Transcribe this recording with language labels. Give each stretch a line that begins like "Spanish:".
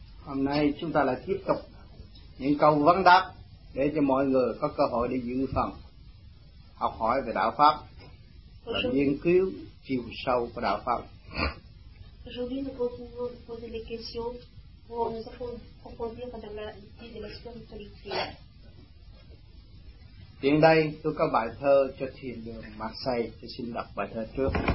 Vietnamese: hôm nay chúng ta lại tiếp tục những câu vấn đáp để cho mọi người có cơ hội để dự phần học hỏi về đạo pháp và nghiên cứu chiều sâu của đạo pháp.
French: Aujourd'hui nous pouvons poser des questions pour nous approfondir dans la vie de la spiritualité.
Vietnamese: Hiện đây tôi có bài thơ cho thiền đường Marseille, tôi xin đọc bài thơ trước.